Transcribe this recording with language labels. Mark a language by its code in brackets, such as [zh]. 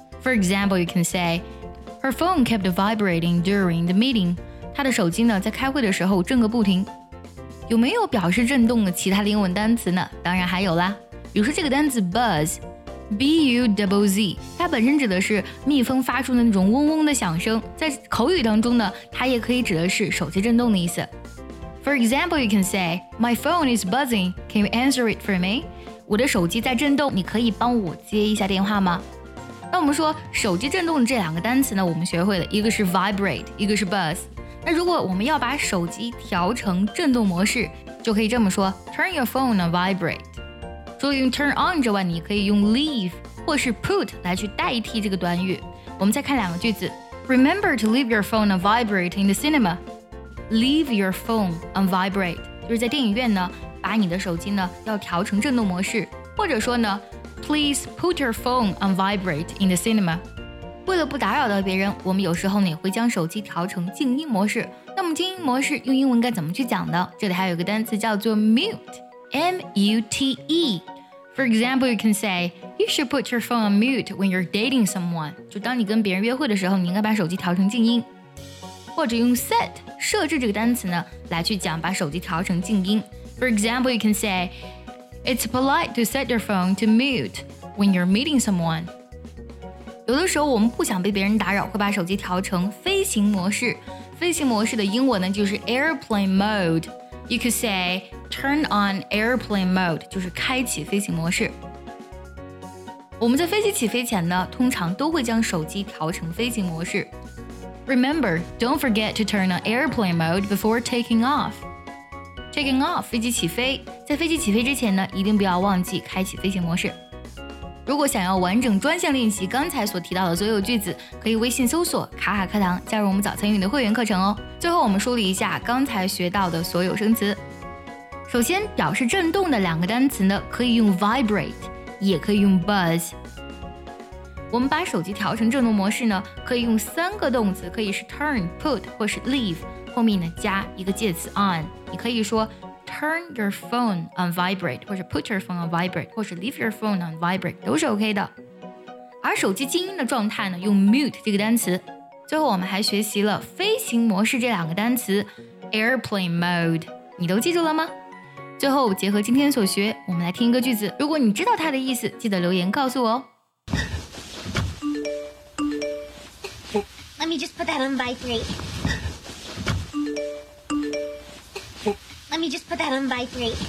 [en] For example, you can say, her phone kept vibrating during the meeting. [zh] 她的手机呢，在开会的时候震个不停。有没有表示震动的其他的英文单词呢？当然还有啦，比如说这个单词 buzz， B-U-Z-Z， 它本身指的是蜜蜂发出的那种嗡嗡的响声，在口语当中呢，它也可以指的是手机震动的意思。 [en] For example, you can say, my phone is buzzing. Can you answer it for me? [zh] 我的手机在震动，你可以帮我接一下电话吗？那我们说手机震动的这两个单词呢，我们学会了一个是 vibrate， 一个是 buzz。那如果我们要把手机调成震动模式，就可以这么说 ： [en] turn your phone on vibrate。 [zh] 除了用 turn on 之外，你可以用 leave 或是 put 来去代替这个短语。我们再看两个句子 [en] ：Remember to leave your phone on vibrate in the cinema. Leave your phone on vibrate， [zh] 就是在电影院呢，把你的手机呢要调成震动模式，或者说呢 ， [en] Please put your phone on vibrate in the cinema。 [zh] 为了不打扰到别人，我们有时候呢也会将手机调成静音模式。那么静音模式用英文该怎么去讲呢？这里还有一个单词叫做 mute，M-U-T-E。 [en] For example, you can say you should put your phone on mute when you're dating someone。 [zh] 就当你跟别人约会的时候，你应该把手机调成静音。或者用 set 设置这个单词呢来去讲把手机调成静音。 [en] For example, you can say, It's polite to set your phone to mute when you're meeting someone. [zh] 有的时候我们不想被别人打扰，会把手机调成飞行模式。飞行模式的英文呢就是 airplane mode. [en] You could say, turn on airplane mode, [zh] 就是开启飞行模式。我们在飞机起飞前呢，通常都会将手机调成飞行模式。 [en] Remember, don't forget to turn on airplane mode before taking off. [zh] Taking off, 飞机起飞。在飞机起飞之前呢，一定不要忘记开启飞行模式。如果想要完整专项练习刚才所提到的所有句子，可以微信搜索卡卡课堂，加入我们早餐英语的会员课程哦。最后我们梳理一下刚才学到的所有生词。首先，表示震动的两个单词呢，可以用 vibrate， 也可以用 buzz。我们把手机调成震动模式呢，可以用三个动词，可以是 turn, put 或是 leave， 后面呢加一个介词 on。你可以说 [en] turn your phone on vibrate， [zh] 或是 [en] put your phone on vibrate， [zh] 或是 [en] leave your phone on vibrate， [zh] 都是 OK 的。而手机静音的状态呢，用 mute 这个单词。最后我们还学习了飞行模式这两个单词 ，airplane mode， 你都记住了吗？最后结合今天所学，我们来听一个句子。如果你知道它的意思，记得留言告诉我哦。 [en] Let me just put that on vibrate. Let me just put that on vibrate.